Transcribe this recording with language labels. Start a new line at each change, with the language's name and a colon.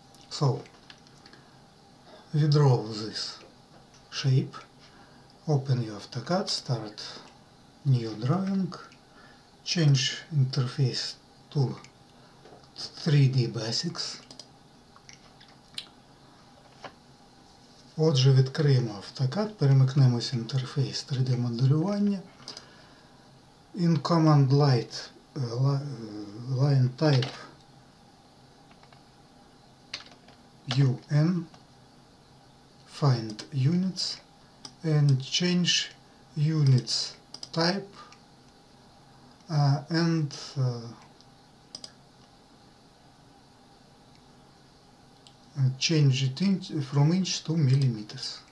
English: So we draw this shape, open your Autocad, start new drawing, change interface to 3D basics.
Ukrainian: Отже, відкриємо Автокад, перемикнемось в інтерфейс 3D моделювання.
English: In command light line type UN find units and change units type and change it from inch to millimeters.